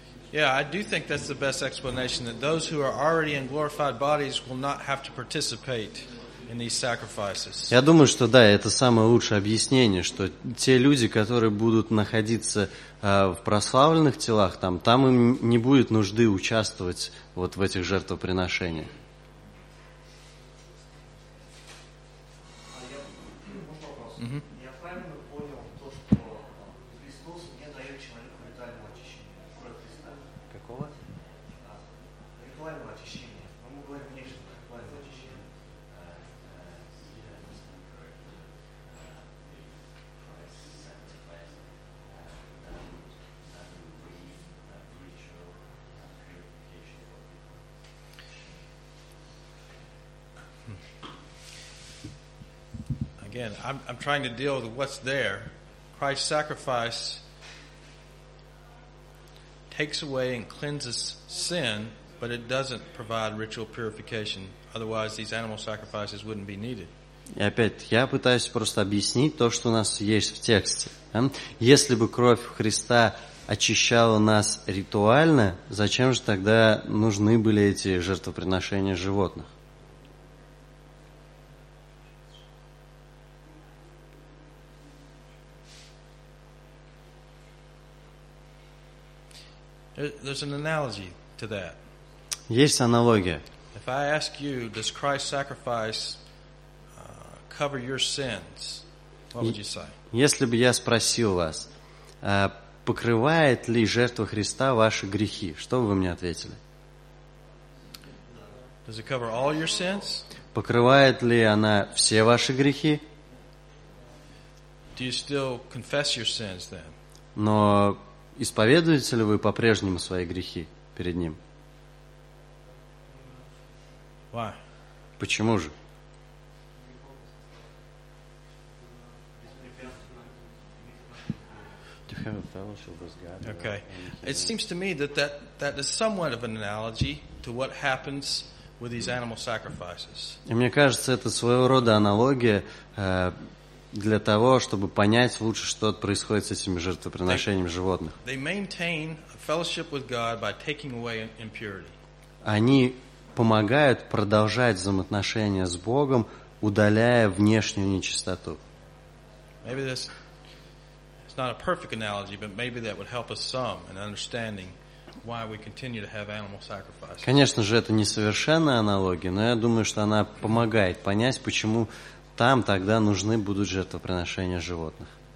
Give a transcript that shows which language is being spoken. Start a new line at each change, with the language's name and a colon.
English: Yeah, I do think that's the best explanation, that those who are already in glorified bodies will not have to participate in these sacrifices.
Russian: Я думаю, что да, это самое лучшее объяснение, что те люди, которые будут находиться в прославленных телах, там им не будет нужды участвовать вот в этих жертвоприношениях.
English: Again, I'm trying to deal with what's there. Christ's sacrifice takes away and cleanses sin, but it doesn't provide ritual purification. Otherwise, these animal sacrifices wouldn't be needed.
Russian: И опять, я пытаюсь просто объяснить то, что у нас есть в тексте. Если бы кровь Христа очищала нас ритуально, зачем же тогда нужны были эти жертвоприношения животных?
English: There's an analogy to that.
Russian: Есть аналогия.
English: If I ask you, does Christ's sacrifice cover your sins? What would you say?
Russian: Если бы я спросил вас, покрывает ли жертва Христа ваши грехи, что бы вы мне ответили?
English: Does it cover all your sins?
Russian: Покрывает ли она все ваши грехи?
English: Do you still confess your sins then?
Russian: Но исповедуете ли вы по-прежнему свои грехи перед Ним?
English: Why?
Russian: Почему же?
English: To have a fellowship with God. Okay. It seems to me that is somewhat of an analogy to what happens with these animal sacrifices.
Russian: Мне кажется, это своего рода аналогия для того, чтобы понять лучше, что происходит с этими жертвоприношениями животных.
English: They maintain a fellowship with God by taking away impurity.
Russian: Они помогают продолжать взаимоотношения с Богом, удаляя внешнюю нечистоту.
English: Maybe this is not a perfect analogy, but maybe that would help us some in understanding why we continue to have animal sacrifices.
Russian: Конечно же, это не совершенная аналогия, но я думаю, что она помогает понять, почему там тогда нужны будут жертвоприношения животных.